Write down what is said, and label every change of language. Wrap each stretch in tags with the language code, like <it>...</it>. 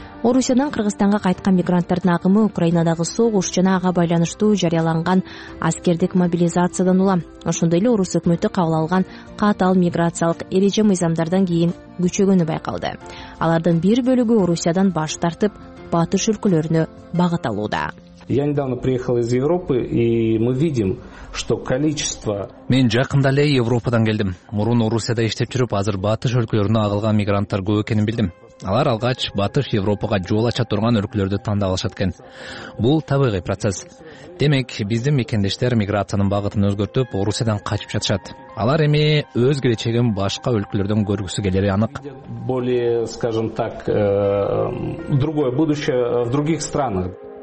<ky>Орусиядан Кыргызстанга кайткан мигранттардын агымы Украинадагы согуш жана ага байланыштуу жарыяланган аскердик мобилизациядан улам. Ошондой эле орус өкмөтү кабыл алган катаал миграциялык эреже мыйзамдардан кийин күчөгөнү байкалды. Алардын бир бөлүгү Орусиядан баш тартып, батыш өлкөлөрүнө багыт алууда.</ky> <ru>Я недавно приехал из Европы, и мы видим, что количество...</ru> <ky>Мен жакында эле Европадан келдим. Мурун Орусияда иштеп жүрүп, азыр батыш өлкөлөрүнө агылган мигранттар көп экенин билдим. Алар алгач батыш Европага жол ача турган өлкөлөрдү тандап алышат экен. Бул табигый процесс. Демек, биздин мекендештер миграциянын багытын өзгөртүп, Орусиядан качып жатышат. Алар эми өз келечегин башка өлкөлөрдөн көргүсү келери анык.</ky> <ru>Более, скажем так, другое будущее в других странах.</ru>